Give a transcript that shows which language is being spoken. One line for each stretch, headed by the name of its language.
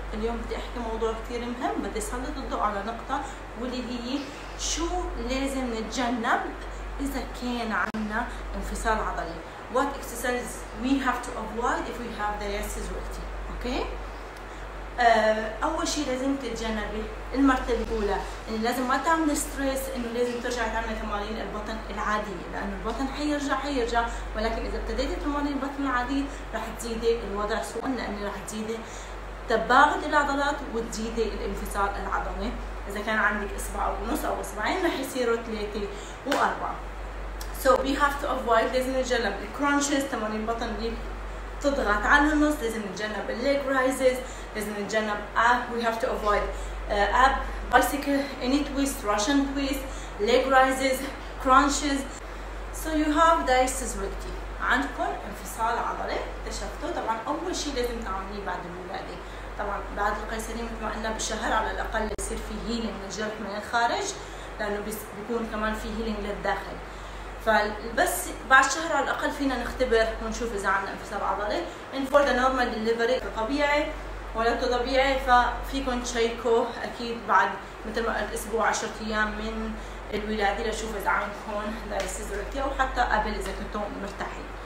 Arabic: اليوم بدي احكي موضوع كثير مهم، بدي اسلط الضوء على نقطة واللي هي شو لازم نتجنب اذا كان عندنا انفصال عضلي.
English: What exercises we have to avoid if we have diastasis recti. Okay.
Arabic: اول شيء لازم تتجنبي المرتبة الاولى انه لازم ما تعمل ستريس، انه لازم ترجع تعمل تمارين البطن العادية، لانه البطن حيرجع، ولكن اذا ابتديتي تمارين البطن العادية راح تزيدي الوضع سوء، لانه راح تزيدي تباعد العضلات وتزيدي الانفصال العضلي. اذا كان عندك اصبع او نص او اصبعين راح يصيروا 3 و4.
English: So we have to avoid،
Arabic: لازم نتجنب الكرانشز، تمارين بطن دي تضغط على النص، لازم نتجنب الليج رايزز، لازم نتجنب
English: we have to avoid ab bicycle any twist russian twist leg rises crunches. So you have diastasis recti،
Arabic: عندكم انفصال عضلي اكتشفته. طبعا اول شيء لازم تعمليه بعد الولاده، طبعا بعد القيصري مثل ما قلنا بشهر على الاقل يصير في هيلينج للجرح من الخارج، لانه بيكون كمان في هيلينج للداخل. فبس بعد شهر على الاقل فينا نختبر ونشوف اذا عندنا انفصال عضلي.
English: and for the normal delivery
Arabic: طبيعي ولا طبيعي، ففيكم تشيكو اكيد بعد مثل ما قلت اسبوع 10 ايام من الولاده لشوف اذا عندكم دايستاسيس ريكتي، او حتى قبل اذا كنتم مرتاحين.